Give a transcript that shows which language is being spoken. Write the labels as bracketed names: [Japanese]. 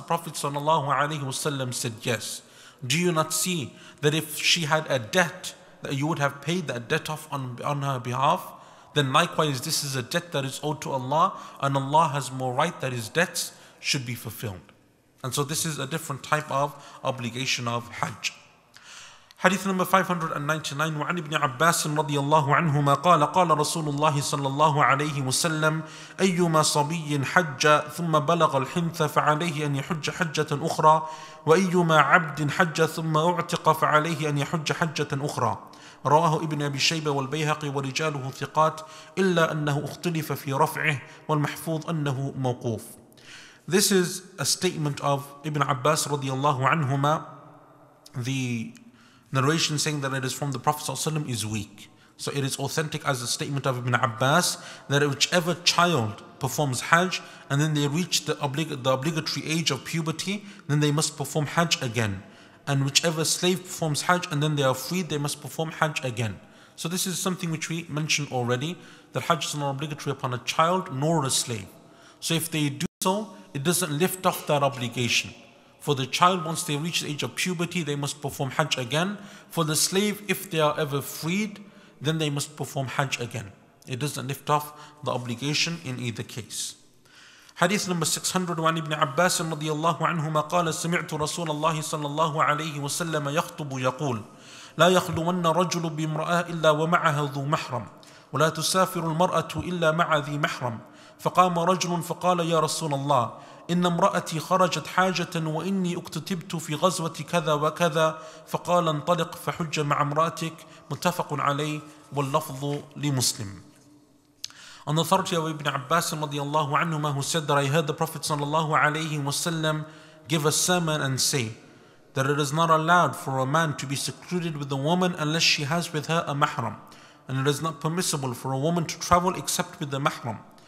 [English] The Prophet ﷺ said yes. Do you not see that if she had a debt that you would have paid that debt off on her behalf? Then likewise this is a debt that is owed to Allah, and Allah has more right that his debts should be fulfilled. And so this is a different type of obligation of Hajj. [Arabic] Hadith number 599, وعن ابن عباس رضي الله عنهما قال قال رسول الله صلى الله عليه وسلم أيما صبي حج ثم بلغ الحنث فعليه أن يحج حجة أخرى وأيما عبد حج ثم أعتق فعليه أن يحج حجة أخرى. رواه ابن أبي شيبة والبيهقي ورجاله ثقات إلا أنه اختلف في رفعه والمحفوظ أنه موقوف. [English] This is a statement of Ibn Abbas رضي الله عنهما. The narration saying that it is from the Prophet ﷺ is weak. So it is authentic as a statement of Ibn Abbas that whichever child performs Hajj and then they reach the obligatory age of puberty, then they must perform Hajj again. and whichever slave performs Hajj and then they are freed, they must perform Hajj again. So this is something which we mentioned already, that Hajj is not obligatory upon a child nor a slave. So if they do so, it doesn't lift off that obligation. For the child, once they reach the age of puberty, they must perform Hajj again. For the slave, if they are ever freed, then they must perform Hajj again. It doesn't lift off the obligation in either case. [Arabic] Hadith number 600, وعن ابن عباس رضي الله عنهما قال سمعت رسول الله صلى الله عليه وسلم يخطب يقول لا يخلون رجل بامرأة إلا ومعها ذو محرم ولا تسافر المرأة إلا مع ذي محرم فقام رجل فقال يا رسول الله إن امرأتي خرجت حاجة وإني اكتتبت في غزوة كذا وكذا فقال انطلق فحج مع امرأتك متفق عليه واللفظ لمسلم. [English] On the authority of Ibn Abbas radiallahu anhuma, who said that I heard the Prophet sallallahu alayhi wasallam give a sermon and say that it is not allowed for a man to be secluded with a woman unless she has with her a mahram, and it is not permissible for a woman to travel except with the mahram.